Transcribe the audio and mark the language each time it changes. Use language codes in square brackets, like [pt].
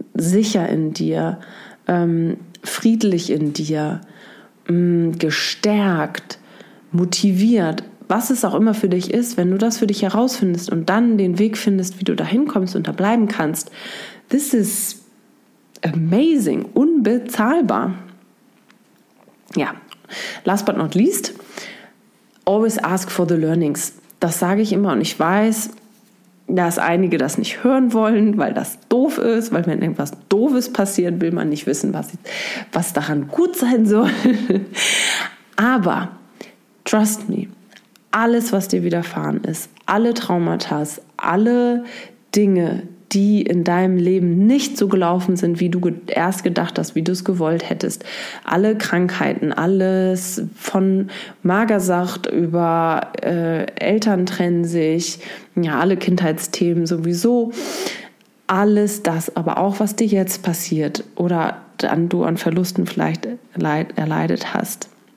[de] Sicher in dir, friedlich in dir, gestärkt, motiviert, was es auch immer für dich ist, wenn du das für dich herausfindest und dann den Weg findest, wie du da hinkommst und da bleiben kannst, [en] this is amazing, [de] unbezahlbar. [en] Ja, last but not least, always ask for the learnings. [de] Das sage ich immer und ich weiß, dass einige das nicht hören wollen, weil das doof ist, weil wenn irgendwas Doofes passiert, will man nicht wissen, was daran gut sein soll. Aber [en] trust me, [de] alles, was dir widerfahren ist, alle Traumata, alle Dinge, die in deinem Leben nicht so gelaufen sind, wie du erst gedacht hast, wie du es gewollt hättest, alle Krankheiten, alles von Magersucht über Eltern trennen sich, ja, alle Kindheitsthemen sowieso, alles das, aber auch, was dir jetzt passiert oder dann du an Verlusten vielleicht erleidet hast.